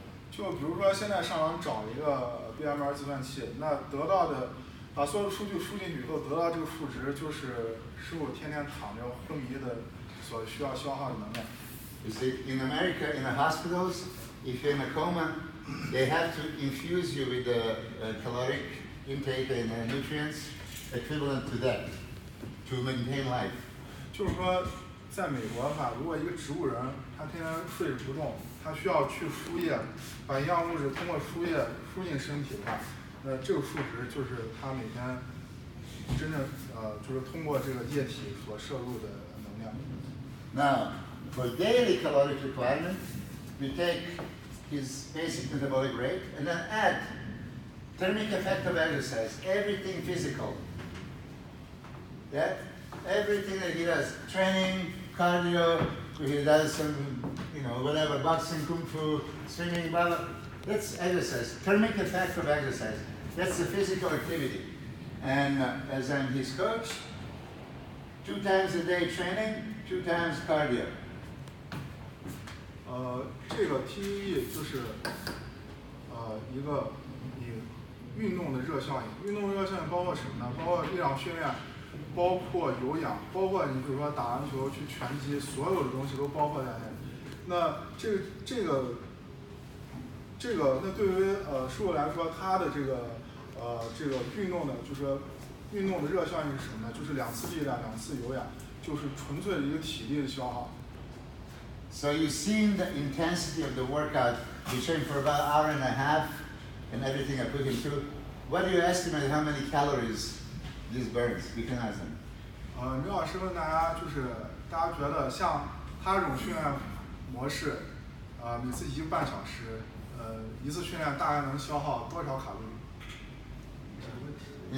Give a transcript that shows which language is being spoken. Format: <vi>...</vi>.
<zh>就比如说现在上网找一个 BMR 计算器，那得到的把所有数据输进去以后，得到这个数值就是师傅天天躺着昏迷的所需要消耗的能量。</zh> <en>You see, in America, in the hospitals, if you're in a coma, they have to infuse you with the caloric intake and nutrients equivalent to that to maintain life.</en> <zh>就是说，在美国的话，如果一个植物人他天天睡着不动，他需要去输液，把营养物质通过输液输进身体的话，那这个数值就是他每天真正就是通过这个液体所摄入的能量。</zh> <en>Now, for daily caloric requirement, you take his basic metabolic rate and then add thermic effect of exercise, everything physical. That everything that he does, training, cardio, if he does some, you know, whatever, boxing, kung fu, swimming, blah, blah. That's exercise, thermic effect of exercise. That's the physical activity. And as I'm his coach, 2 times a day training, 2 times cardio.</en> <zh>这个 TEE 就是一个你运动的热效应。运动热效应包括什么呢？包括力量训练，包括有氧，包括你比如说打篮球、去拳击，所有的东西都包括在内。那这个那对于师傅来说，他的这个运动的，就是运动的热效应是什么呢？就是两次力量，两次有氧，就是纯粹的一个体力的消耗。</zh> <en>So you've seen the intensity of the workout. You train for about an hour and a half, and everything I put him through. What do you estimate how many calories these burns? You can ask them.</en> <zh>刘老师问大家，就是大家觉得像他这种训练模式，每次一个半小时，一次训练大概能消耗多少卡路里？</zh>